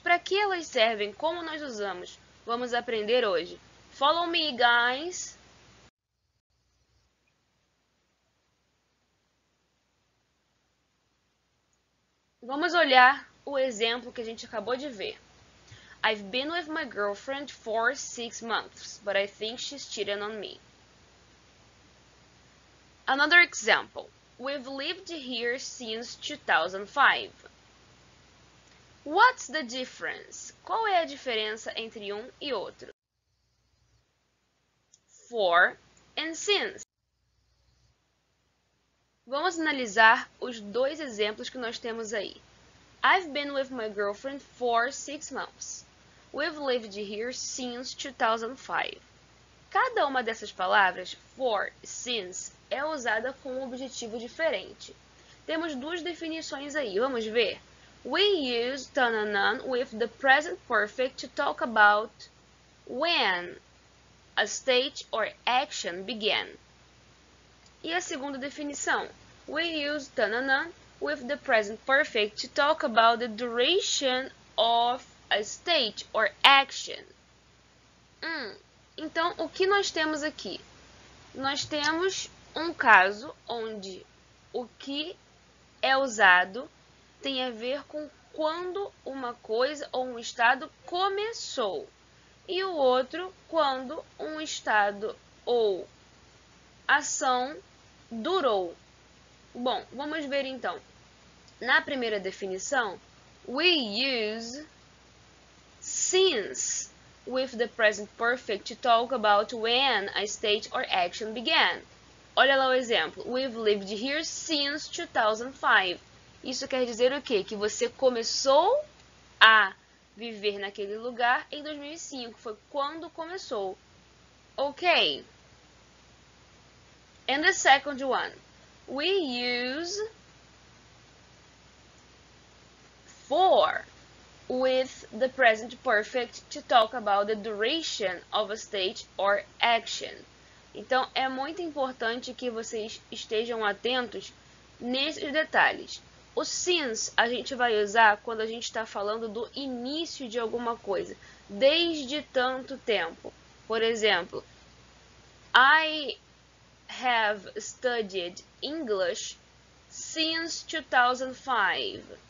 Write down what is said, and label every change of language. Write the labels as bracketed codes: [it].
[pt] Para que elas servem? Como nós usamos? Vamos aprender hoje. [en] Follow me, guys! [pt] Vamos olhar o exemplo que a gente acabou de ver. [en] I've been with my girlfriend for 6 months, but I think she's cheating on me. Another example. We've lived here since 2005. What's the difference? [pt] Qual é a diferença entre um e outro? [en] For and since. [pt] Vamos analisar os dois exemplos que nós temos aí. [en] I've been with my girlfriend for 6 months. We've lived here since 2005. [pt] Cada uma dessas palavras, for e since, é usada com um objetivo diferente. Temos duas definições aí, vamos ver. [en] We use tananan with the present perfect to talk about when a state or action began. [pt] E a segunda definição, [en] we use tananan with the present perfect to talk about the duration of a state or action. [pt] Então, o que nós temos aqui? Nós temos um caso onde o que é usado tem a ver com quando uma coisa ou um estado começou. E o outro, quando um estado ou ação durou. Bom, vamos ver então. Na primeira definição, [en] we use since with the present perfect to talk about when a state or action began. [pt] Olha lá o exemplo. [en] We've lived here since 2005. [pt] Isso quer dizer o quê? Que você começou a viver naquele lugar em 2005. Foi quando começou. Ok. [en] And the second one. We use for with the present perfect to talk about the duration of a state or action. [pt] Então, é muito importante que vocês estejam atentos nesses detalhes. O since a gente vai usar quando a gente está falando do início de alguma coisa, desde tanto tempo. Por exemplo, [en] I have studied English since 2005.